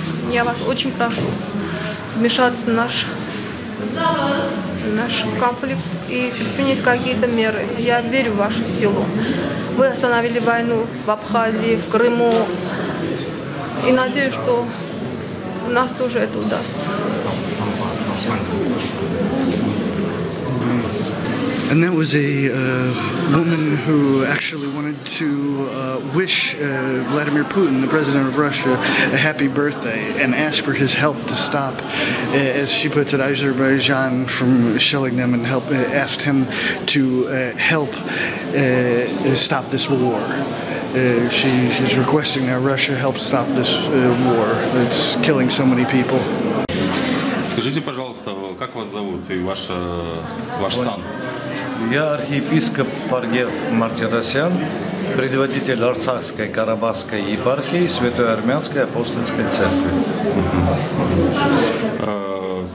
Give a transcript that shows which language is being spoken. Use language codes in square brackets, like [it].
[ru] Я вас очень прошу вмешаться в наш конфликт и принять какие-то меры. Я верю в вашу силу. Вы остановили войну в Абхазии, в Крыму. И надеюсь, что у нас тоже это удастся. [en] And that was a woman who actually wanted to wish Vladimir Putin, the president of Russia, a happy birthday and ask for his help to stop, as she puts it, Azerbaijan from shelling them and asked him to help stop this war. She's requesting that Russia help stop this war that's killing so many people. [ru] Скажите, пожалуйста, как вас зовут и ваш сан? Я архиепископ Паргев Мартиросян, предводитель Артсахской Карабахской епархии Святой Армянской Апостольской Церкви.